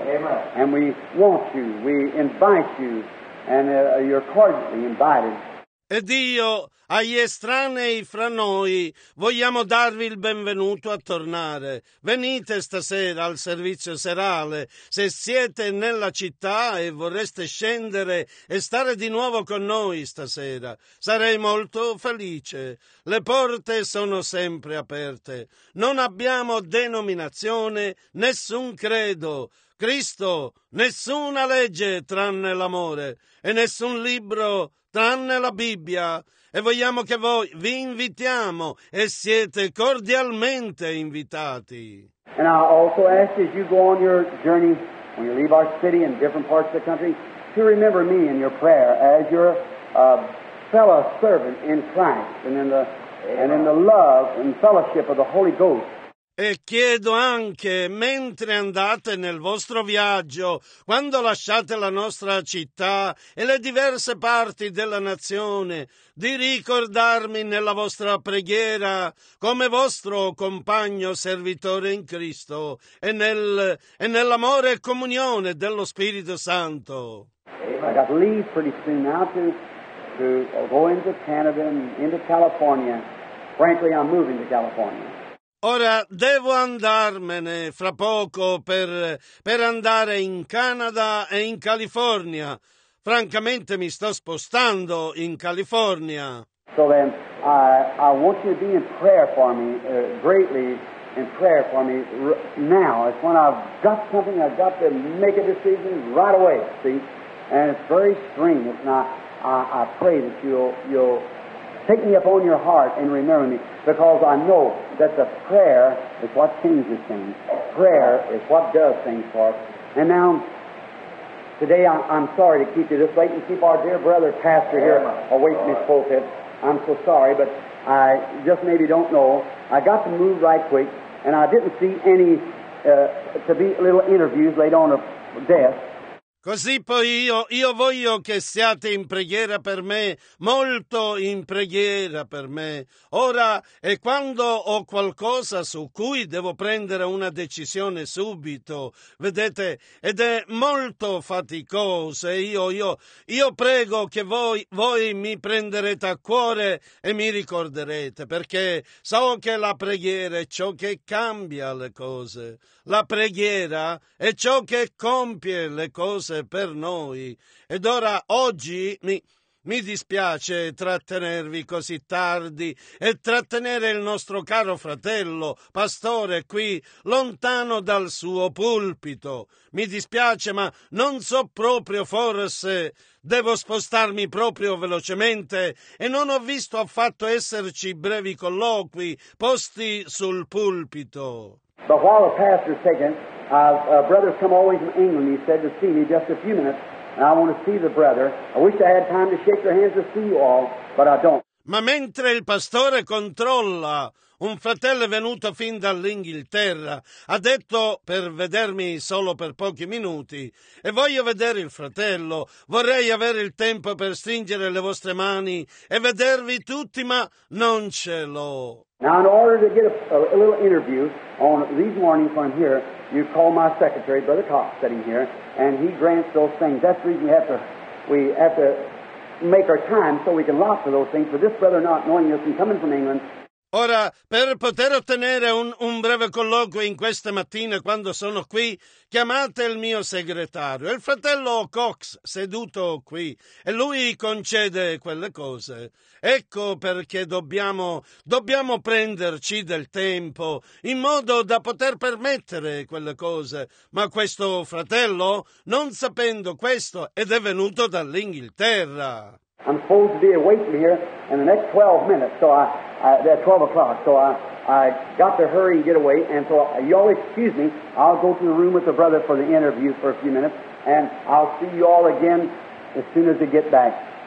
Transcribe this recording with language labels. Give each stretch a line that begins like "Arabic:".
English: Amen. And we want you, we invite you, and you're cordially invited.
Italian: E Dio, agli estranei fra noi, vogliamo darvi il benvenuto a tornare. Venite stasera al servizio serale. Se siete nella città e vorreste scendere e stare di nuovo con noi stasera, sarei molto felice. Le porte sono sempre aperte. Non abbiamo denominazione, nessun credo. Cristo, nessuna legge tranne l'amore e nessun libro tranne la Bibbia, e vogliamo che voi vi invitiamo e siete cordialmente invitati.
English: And I also ask as you go on your journey, when you leave our city and different parts of the country, to remember me in your prayer as your fellow servant in Christ and in the and in the love and fellowship of the Holy Ghost.
Italian: E chiedo anche, mentre andate nel vostro viaggio, quando lasciate la nostra città e le diverse parti della nazione, di ricordarmi nella vostra preghiera come vostro compagno servitore in Cristo e nel e nell'amore e comunione dello Spirito Santo.
English: I got to leave pretty soon now to go into Canada and into California. Frankly, I'm moving to California.
Italian: Ora devo andarmene fra poco per andare in Canada e in California. Francamente mi sto spostando in California.
English: So then I want you to be in prayer for me, greatly in prayer for me now. It's when I've got something, I've got to make a decision right away, see? And it's very strange. Now I pray that you'll take me up on your heart and remember me, because I know that the prayer is what changes things. Prayer is what does things for us. And now, today I'm sorry to keep you this late and keep our dear brother pastor here away from his pulpit. I'm so sorry, but I just maybe don't know. I got to move right quick, and I didn't see any to be little interviews laid on a desk.
Italian: Così poi io voglio che siate in preghiera per me, molto in preghiera per me. Ora, e quando ho qualcosa su cui devo prendere una decisione subito, vedete, ed è molto faticoso, io prego che voi mi prenderete a cuore e mi ricorderete, perché so che la preghiera è ciò che cambia le cose. La preghiera è ciò che compie le cose per noi. Ed ora, oggi, mi dispiace trattenervi così tardi e trattenere il nostro caro fratello, pastore, qui, lontano dal suo pulpito. Mi dispiace, ma non so proprio, forse devo spostarmi proprio velocemente e non ho visto affatto esserci brevi colloqui posti sul pulpito.
English: But while the pastor's taken, brother's come always from England, he said, to see me just a few minutes, and I want to see the brother. I wish I had time to shake your hands to see you all, but I don't.
Italian: Ma mentre il pastore controlla, un fratello è venuto fin dall'Inghilterra, ha detto per vedermi solo per pochi minuti, e voglio vedere il fratello, vorrei avere il tempo per stringere le vostre mani e vedervi tutti, ma non ce l'ho.
English: Now, in order to get a little interview on these mornings when I'm here, you call my secretary, Brother Cox, sitting here, and he grants those things. That's the reason we have to make our time so we can lock for those things, for this brother not knowing us and coming from England.
Italian: Ora, per poter ottenere un breve colloquio in queste mattine quando sono qui, chiamate il mio segretario, il fratello Cox, seduto qui, e lui concede quelle cose. Ecco perché dobbiamo prenderci del tempo in modo da poter permettere quelle cose. Ma questo fratello, non sapendo questo, ed è venuto dall'Inghilterra.
English: I'm supposed to be waiting here in the next 12 minutes, so that's 12 o'clock, so I got to hurry and get away, and so y'all excuse me, I'll go to the room with the brother for the interview for a few minutes, and I'll see you all again as soon as I get back.